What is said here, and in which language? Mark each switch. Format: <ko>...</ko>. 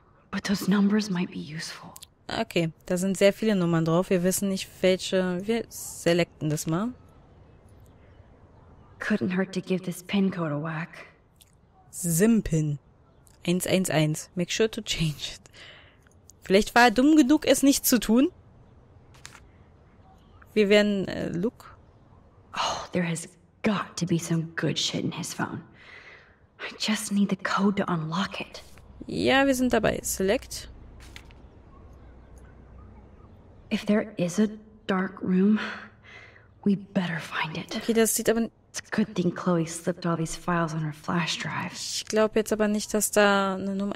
<en>But those numbers might be useful.</en> <de>Okay, da sind sehr viele Nummern drauf. Wir wissen nicht, welche. Wir selekten das mal.</de> <en>Couldn't hurt to give this pin code a whack. SIM-PIN. 111. Make sure to change it.</en> <de>Vielleicht war er dumm genug, es nicht zu tun. Wir werden</de> <en>look. Oh, there has got to be some good shit in his phone. I just need the code to unlock it.</en> <de>Ja, wir sind dabei. Select.</de> <en>If there is a dark room, we better find it.</en> <de>Okay, das sieht aber...</de> <en>It's a good thing Chloe slipped all these files on her flash drive.</en> <de>Ich glaube jetzt aber nicht, dass da eine Nummer...</de>